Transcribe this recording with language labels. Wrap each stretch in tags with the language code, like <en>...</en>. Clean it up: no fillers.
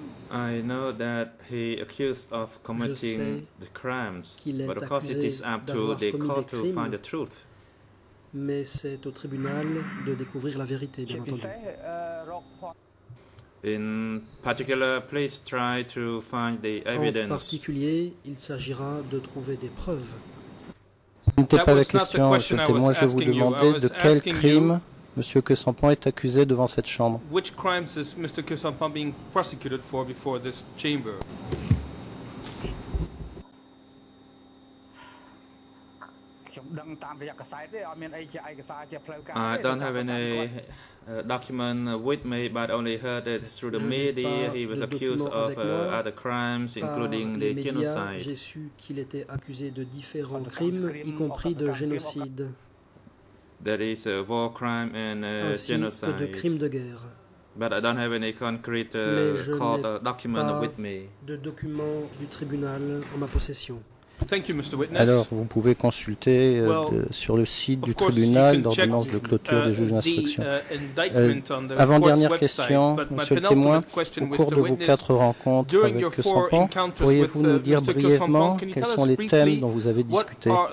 <en>I know that he accused of committing the crimes, but of course it is up to the court to find the truth.</en> <fr>Mais c'est au tribunal de découvrir la vérité, bien entendu.</fr> <en>In particular, please try to find the evidence.</en> <fr>En particulier, il s'agira de trouver des preuves. Ce n'était pas la question, monsieur le témoin. Je vous demandais de quel crime Monsieur Que Sampan est accusé devant cette chambre.</fr> <en>Which crimes is Mr. Que Sampan being prosecuted for before this chamber? I don't have any document with me, but only heard it through the media. He was accused of other crimes, including the genocide.</en> <fr>J'ai su qu'il était accusé de différents crimes, y compris de génocide.</fr> <en>There is a war crime and a genocide.</en> <fr>Ainsi que de crimes de guerre.</fr> <en>But I don't have any concrete court document with me.</en> <fr>De document du tribunal en ma possession.</fr> <en>Thank you, Mr. Witness.</en> <fr>Alors, vous pouvez consulter sur le site du tribunal l'ordonnance de clôture des juges d'instruction. Avant-dernière question, monsieur le témoin, au cours de vos quatre rencontres avec Que Sampan, pourriez-vous nous dire brièvement quels sont les thèmes dont vous avez discuté?</fr>